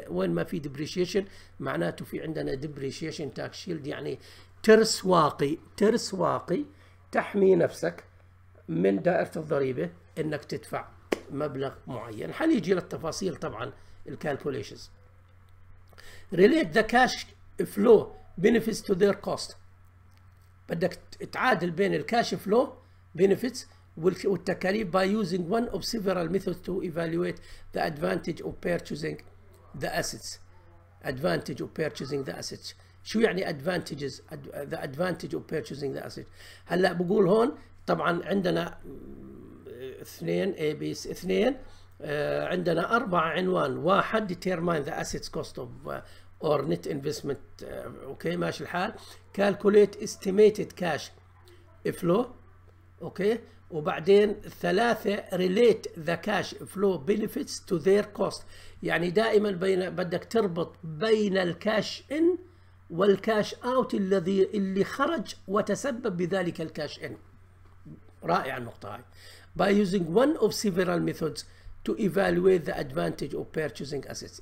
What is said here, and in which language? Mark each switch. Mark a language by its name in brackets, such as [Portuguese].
[Arabic] وين ما في depreciation معناته في عندنا depreciation tax shield، يعني ترس واقي، ترس واقي تحمي نفسك من دائرة الضريبة انك تدفع مبلغ معين. حنيجي للتفاصيل طبعا الكالكوليشنز. [English] relate the cash flow benefits to their cost. [Arabic] بدك تعادل بين الكاش فلو benefits والتكاليف [English] by using one of several methods to evaluate the advantage of purchasing the assets. Advantage of purchasing the assets. [Arabic] شو يعني [English] advantages؟ The advantage of purchasing the assets. [Arabic] هلا بقول هون طبعا عندنا اثنين ABs، اثنين عندنا 4 عنوان. [English] 1 determine the assets cost of or net investment. [Arabic] اوكي ماشي الحال. [English] Calculate estimated cash flow. Okay. وبعدين 3 relate the cash flow benefits to their cost. [Arabic] يعني دائما بدك تربط بين الكاش ان والكاش اوت اللي خرج وتسبب بذلك الكاش ان. رائع النقطة هاي. [English] By using one of several methods to evaluate the advantage of purchasing assets.